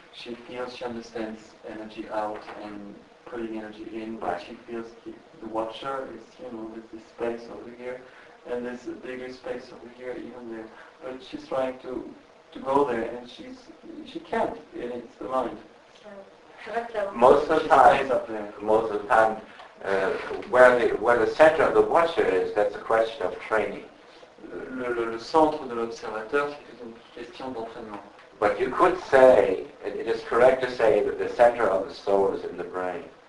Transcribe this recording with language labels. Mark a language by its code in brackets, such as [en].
[en] She feels she understands energy out and putting energy in, but right. She feels the watcher is, you know, with this space over here, and there's a bigger space over here, even there. But she's trying to go there, and she can't, and it's the mind. Most of the time, where the center of the watcher is, that's a question of training. [fr] Le centre de l'observateur, c'est une question d'entraînement. [en] But you could say, it is correct to say that the center of the soul is in the brain.